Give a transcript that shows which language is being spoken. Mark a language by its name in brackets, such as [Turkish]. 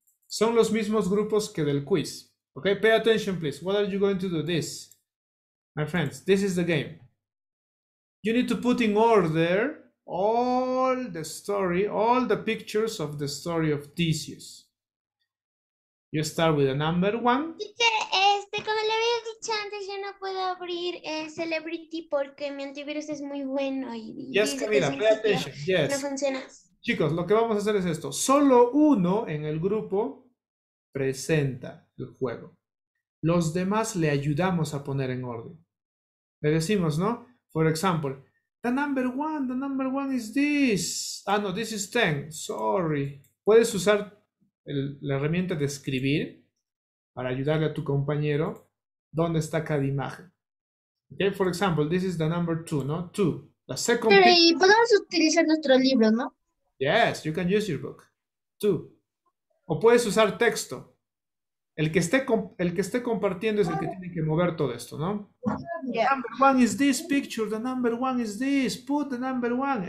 [Spanish] Son los mismos grupos que del quiz. [English] Okay, pay attention, please. What are you going to do? This. My friends, this is the game. You need to put in order all the story, all the pictures of the story of Theseus. You start with a number one. [Spanish] Teacher, como le había dicho antes, yo no puedo abrir Celebrity porque mi antivirus es muy bueno. Y [English] yes, Camila, pay attention. Yes. [Spanish] No funciona. Chicos, lo que vamos a hacer es esto. Solo uno en el grupo presenta el juego. Los demás le ayudamos a poner en orden. Le decimos, ¿no? [English] For example, the number one is this. Ah, no, this is 10. Sorry. [Spanish] Puedes usar la herramienta de escribir para ayudarle a tu compañero dónde está cada imagen. [English] Okay, for example, this is the number two, ¿no? Two. The second. [Spanish] Pero y podemos utilizar nuestro libro, ¿no? [English] Yes, you can use your book. Two. [Spanish] O puedes usar texto. El que esté compartiendo es el que tiene que mover todo esto, ¿no? [English] Yeah. Number one is this picture, the number one is this, put the number one.